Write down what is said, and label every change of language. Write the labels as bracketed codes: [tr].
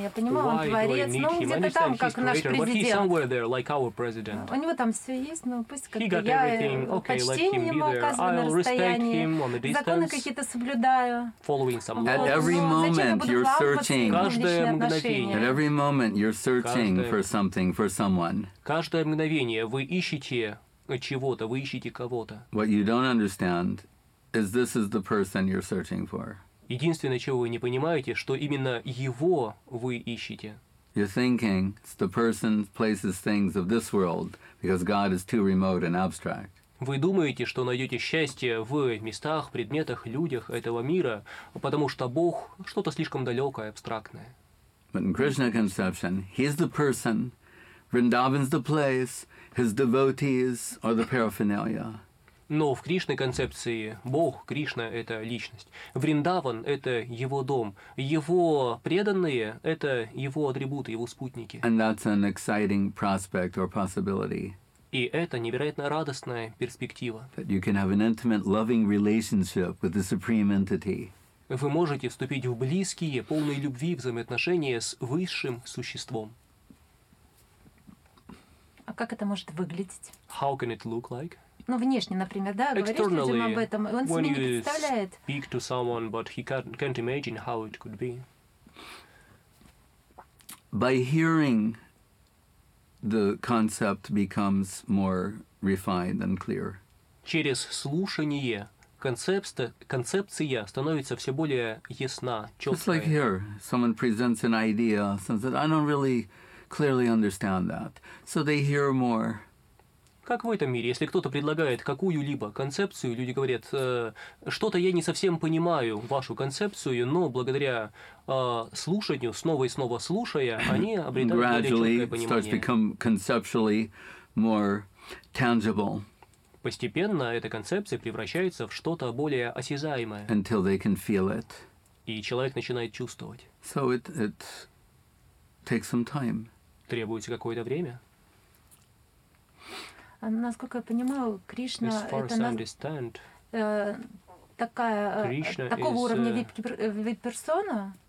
[ru] Я понимаю, он творец, но он где-то там, как наш президент. У него там все есть, но пусть как-то я почтение ему оказываю на расстоянии, законы какие-то соблюдаю. [en] At every moment you're searching. [ru] Каждое мгновение. [en] At every moment you're searching for something, for someone. [ru] Каждое мгновение вы ищете чего-то, вы ищете кого-то. [en] What you don't understand is this is the person you're searching for. [ru] Единственное, чего вы не понимаете, что именно его вы ищете. [en] You're thinking it's the person, places, things of this world, because God is too remote and abstract. [ru] Вы думаете, что найдете счастье в местах, предметах, людях этого мира, потому что Бог что-то слишком далекое, абстрактное. [en] But in Krishna conception, he's the person, Vrindavan's the place, his devotees are the paraphernalia. [ru] Но в Кришной концепции Бог, Кришна — это личность. Вриндаван — это его дом. Его преданные — это его атрибуты, его спутники. [en] And that's an exciting prospect or possibility. [ru] И это невероятно радостная перспектива. [en] That you can have an intimate, loving relationship with the supreme entity. [ru] Вы можете вступить в близкие, полные любви взаимоотношения с высшим существом. А как это может выглядеть? [en] How can it look like? [ru] Ну, внешне, например, да, говоришь людям об этом, он себе не представляет. [en] Speak to someone, but he can't imagine how it could be. By hearing, the concept becomes more refined and clear. [ru] Через слушание концепция становится все более ясна, чёткая. [en] It's like here, someone presents an idea, someone says, I don't really clearly understand that. So they hear more. [ru] Как в этом мире, если кто-то предлагает какую-либо концепцию, люди говорят, что-то я не совсем понимаю вашу концепцию, но благодаря слушанию, снова и снова слушая, они обретают [en] gradually [ru] более четкое понимание. [en] Starts become conceptually more tangible. [ru] Постепенно эта концепция превращается в что-то более осязаемое. [en] Until they can feel it. [ru] И человек начинает чувствовать. [en] So it takes some time. [ru] Требуется какое-то время. Насколько я понимаю, Кришна это такая такого уровня вип-персона,